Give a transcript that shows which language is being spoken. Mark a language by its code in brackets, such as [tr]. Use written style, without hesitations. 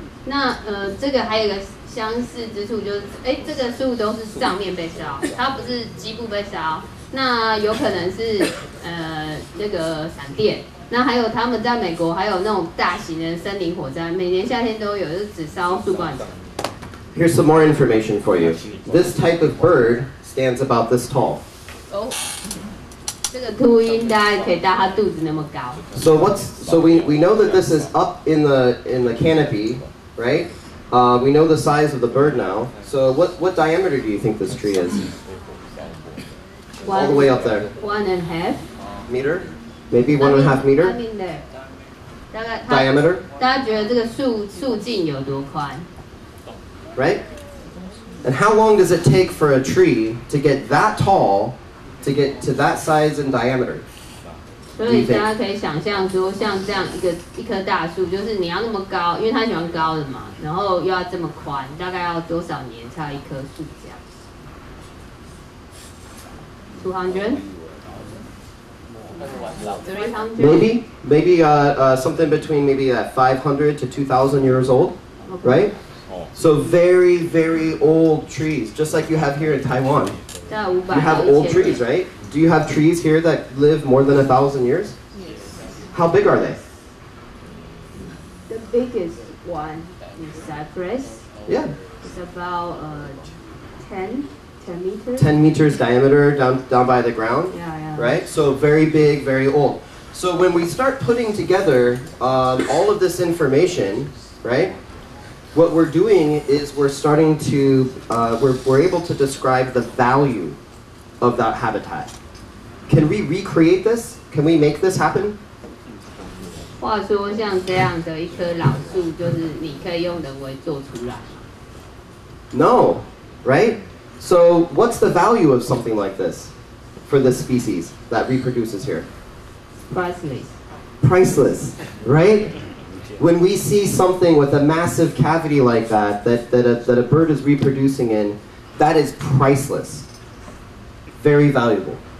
[zh] 那这个还有个相似之处就是，这个树都是上面被烧，它不是基部被烧，那有可能是那个闪电。那还有他们在美国还有那种大型的森林火灾，每年夏天都有，就只烧树冠层。 [en] Here's some more information for you. This type of bird stands about this tall. [zh] 这个秃鹰大概可以到它肚子那么高。 [en] So we know that this is up in the canopy, right? We know the size of the bird now. So what diameter do you think this tree is? One, all the way up there. 1.5 meter? Maybe 1.5 meter? I mean there. Diameter? [zh] 大家觉得这个树径有多宽? [en] Right? And how long does it take for a tree to get that tall, to get to that size and diameter? [zh] 所以大家可以想象说，像这样一棵大树，就是你要那么高，因为它喜欢高的嘛，然后又要这么宽，大概要多少年才有一棵树这样 ？200？300？ [en] Maybe something between maybe that 500 to 2,000 years old, right? So very very old trees, just like you have here in Taiwan. You have old trees, right? Do you have trees here that live more than 1,000 years? Yes. How big are they? The biggest one is cypress. Yeah. It's about 10 meters. 10 meters diameter down by the ground. Yeah, yeah. Right? So very big, very old. So when we start putting together all of this information, right, what we're doing is we're starting to, we're able to describe the value of that habitat.Can we recreate this? Can we make this happen? [zh] 话说像这样的一棵老树，就是你可以用人为做出来吗 [en] ？No, right? So what's the value of something like this for the species that reproduces here? Priceless. Priceless, right? When we see something with a massive cavity like that, that a bird is reproducing in, that is priceless. Very valuable.